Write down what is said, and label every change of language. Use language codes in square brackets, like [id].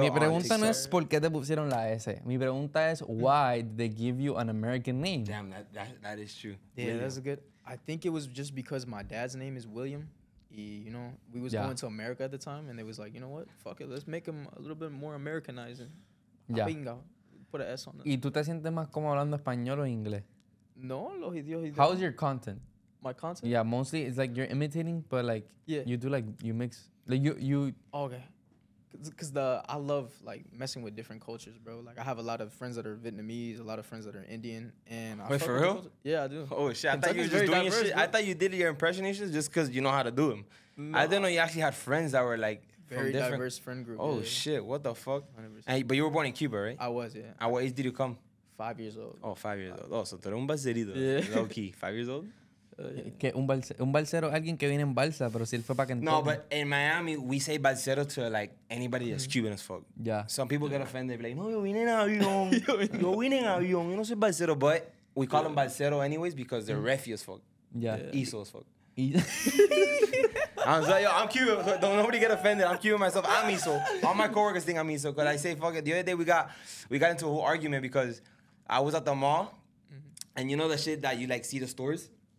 [es] Mi pregunta no es por qué te pusieron la S. Mi pregunta es [en] why did they give you an American name? Damn, that is true. Yeah, William. That's good. I think it was just because my dad's name is William. You know, we was going to America at the time, and they was like, you know what? Fuck it, let's make him a little bit more Americanizing. Yeah. Bingo. Put an S on [es] it. ¿Y tú te sientes más como hablando español o inglés? No, los idiomas. [en] How's your content? My content? Yeah, mostly it's like you're imitating, but like you do like you mix like you. Okay, because I love like messing with different cultures, bro. Like I have a lot of friends that are Vietnamese, a lot of friends that are Indian, and wait, I for real? Yeah, I do. Oh shit! Kentucky's, I thought you were just doing diverse, your shit. Bro. I thought you did your impressionations just because you know how to do them. No. I didn't know you actually had friends that were like very diverse different... friend group. Oh yeah. Shit! What the fuck? And, but you were born in Cuba, right? I was, yeah. At what age did you come? 5 years old. Oh, 5 years old. Oh, so [es] tú un balserito. [en] Yeah. Low key. 5 years old? [es] Que un balsero es alguien que viene en balsa, pero si él fue para Kentucky. [en] No, but in Miami, we say balsero to like anybody that's Cuban as fuck. Yeah. Some people get offended, be like, no, [es] yo vine en avión. Yo vine en avión. Yo no soy balsero. [en] But we call them balsero anyways because they're refi as fuck. Yeah. Iso as fuck. I'm like, yo, I'm Cuban. So don't nobody get offended. I'm Cuban myself. I'm Iso. All my coworkers think I'm Iso because I say fuck it. The other day we got into a whole argument because I was at the mall, and you know the shit that you like see the stores?